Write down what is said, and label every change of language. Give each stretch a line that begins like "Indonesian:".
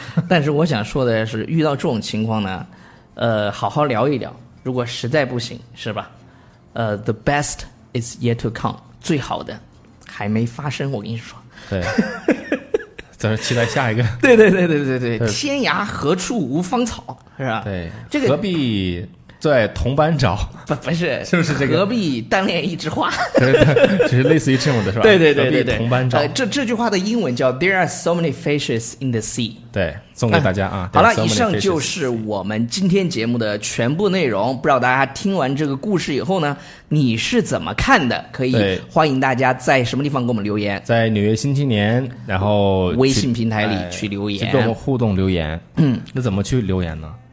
Chinese: 但是我想说的是，遇到这种情况呢，好好聊一聊，如果实在不行是吧，
English: the best is yet to come，
Chinese: 最好的还没发生，我跟你说。对，咱们期待下一个。对对对对对对，天涯何处无芳草，是吧？对，这个何必在同班找，不是，是不是这个？何必单恋一枝花？只是类似于这种的，是吧？对对对对对，同班找。这句话的英文叫
English: "There are so many fishes in the sea"。
Chinese: 对，送给大家啊。好了，以上就是我们今天节目的全部内容。不知道大家听完这个故事以后呢，你是怎么看的？可以欢迎大家在什么地方给我们留言？在纽约新青年，然后微信平台里去留言，跟我们互动留言。那怎么去留言呢？